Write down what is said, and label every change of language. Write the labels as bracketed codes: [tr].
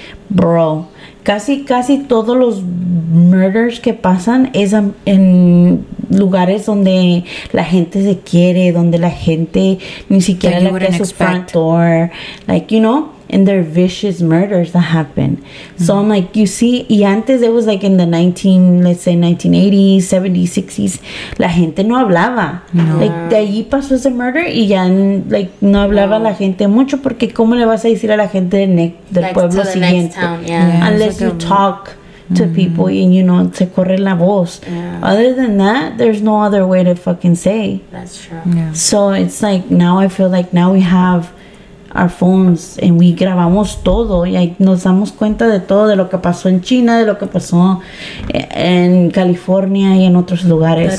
[es] Bro, casi todos los murders que pasan es en lugares donde la gente se quiere, donde la gente ni siquiera le abre su [en] front door. Like, you know, and they're vicious murders that happen. Mm-hmm. So I'm like, you see, [es] y antes [en] it was like in the 1980s, 70s, 60s, [es] la gente no hablaba. [en] No. [es] Like, de allí pasó ese murder y ya, like, no hablaba la gente mucho, porque ¿cómo le vas a decir a la gente del pueblo siguiente? [en] Next town, yeah. Unless you talk to people and, you know, [es] se corre la voz. [en] Yeah. Other than that, there's no other way to fucking say. That's true. Yeah. So it's like, now I feel like now we have our phones and [es] we grabamos todo y nos damos cuenta de todo, de lo que pasó en China, de lo que pasó en California y en otros lugares.